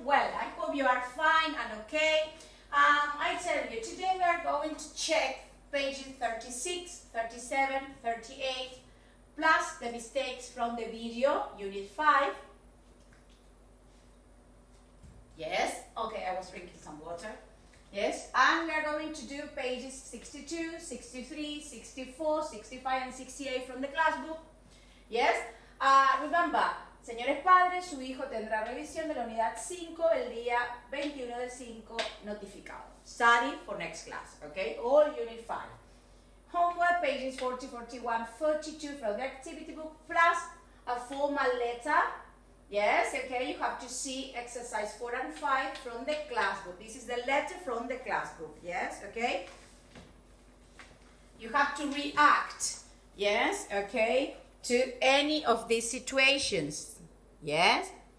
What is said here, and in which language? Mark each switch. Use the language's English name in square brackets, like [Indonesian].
[English] Well, I hope you are fine and okay. I tell you, today we are going to check pages 36, 37, 38, plus the mistakes from the video, unit 5. Yes, okay, I was drinking some water. Yes, and we are going to do pages 62, 63, 64, 65, and 68 from the class book. Yes, remember, [Spanish] señores padres, su hijo tendrá revisión de la unidad 5 el día 21 del 5 notificado. [English] Study for next class, okay? All unit 5. Homework, pages 40, 41, 42 from the activity book, plus a formal letter. Yes, okay, you have to see exercise 4 and 5 from the class book. This is the letter from the class book, yes, okay? You have to react, yes, okay, to any of these situations. Yes?